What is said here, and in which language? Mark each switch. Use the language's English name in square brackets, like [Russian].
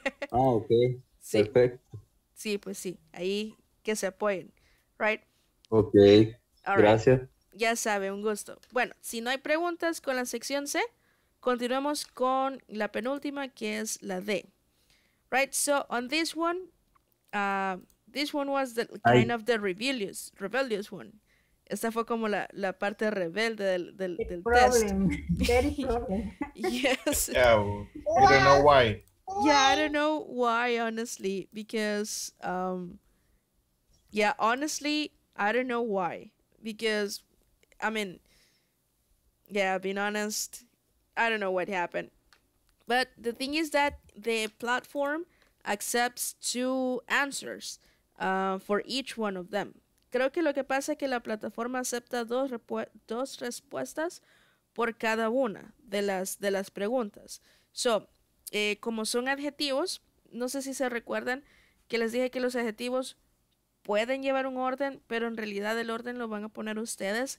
[Spanish] Ah, ok. Sí. Perfecto. Sí, pues sí, ahí que se apoyen. Right? Ok, all gracias. Right. Ya sabe, un gusto. Bueno, si no hay preguntas con la sección C, continuamos con la penúltima, que es la D. [English] Right, so on this one was the kind of the rebellious one. [Spanish] Esta fue como la parte rebelde del [English] problem. Test. Very yes. Yeah, I don't know why. Yeah, I don't know why, honestly, because, I don't know why. Because, I mean, yeah, being honest, I don't know what happened. But the thing is that the platform accepts 2 answers for each one of them. [Spanish] Creo que lo que pasa es que la plataforma acepta 2 respuestas por cada una de las preguntas. So, como son adjetivos, no sé si se recuerdan que les dije que los adjetivos pueden llevar un orden, pero en realidad el orden lo van a poner ustedes.